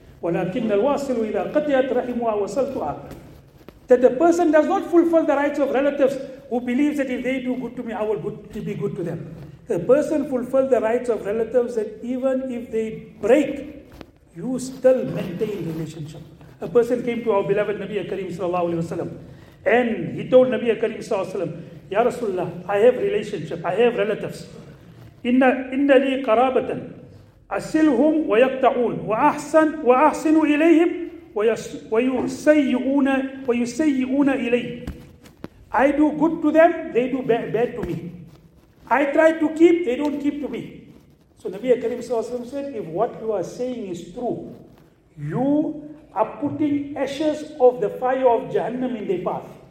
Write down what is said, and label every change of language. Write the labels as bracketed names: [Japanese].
[Arabic] ولكن الواصل إذا قطعت رحمه وصلتها. [English] That the person does not fulfill the rights of relatives who believes that if they do good to me, I will be good to them. The person fulfills the rights of relatives that even if they break, you still maintain relationship. A person came to our beloved Nabi Karim sallallahu alaihi wasallam, and he told Nabi Karim sallallahu alaihi wasallam, "Ya Rasulullah, I have relationship. I have relatives. [Arabic] Inna li qarabatan." أسلهم ويقطعون وأحسن وأحسن إليهم ويسيئون ويسيئون إلي. [English] I do good to them, they do bad to me. I try to keep, they don't keep to me. So Nabi Karim sallallahu alaihi wasallam said, if what you are saying is true, you are putting ashes of the fire of Jahannam in their path.